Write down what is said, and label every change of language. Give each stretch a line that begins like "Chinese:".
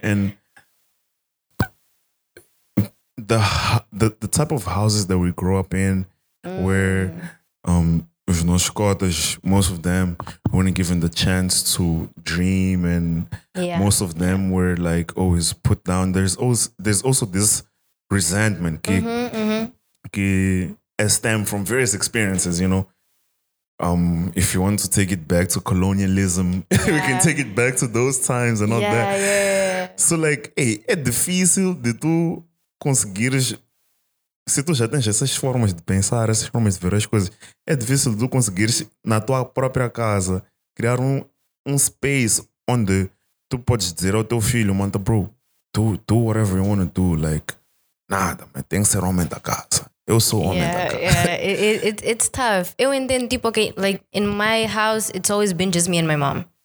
English: And the type of houses that we grew up in, where
Portuguese: os nossos cotas,
English: most of them weren't given the chance to dream, and most of them were like always put down. There's also this resentment que stem from various experiences, you know. If you want to take it back to colonialism, we can take it back to those times and all that. Yeah. So like, hey,
Portuguese: é difícil de tu conseguires, se tu já tens essas formas de pensar, essas formas de ver as coisas, é difícil de tu conseguires na tua própria casa criar um space onde tu podes dizer ao teu filho, manta, bro,
English: do whatever you want to do,
Portuguese: like, nada, mas tem que ser homem da casa. Eu sou homem da casa.
English: It's tough.
Portuguese: Eu entendo, tipo,
English: okay, like, in my house, it's always been just me and my mom.